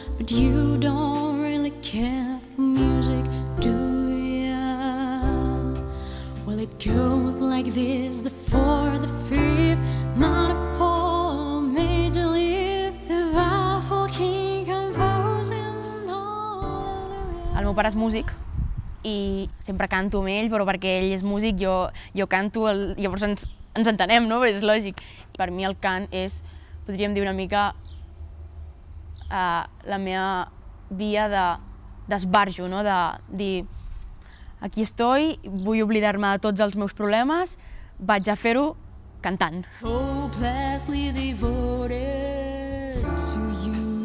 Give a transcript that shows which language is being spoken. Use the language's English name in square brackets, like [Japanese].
[English] But you don't really care for music, do ya? Well, it goes like this, the fourth, the fifth, minor, four, major, lift, the baffled king composing all hallelujah. [Catalan] El meu pare és músic. I sempre canto amb ell, però perquè ell és músic, jo canto, llavors ens entenem, no? Però és lògic. Per mi el cant és, podríem dir una mica, la meva via d'esbarjo, no? De dir, [Spanish] aquí estoy, [Catalan] vull oblidar-me de tots els meus problemes, vaig a fer-ho cantant. [English] Hopelessly devoted to you.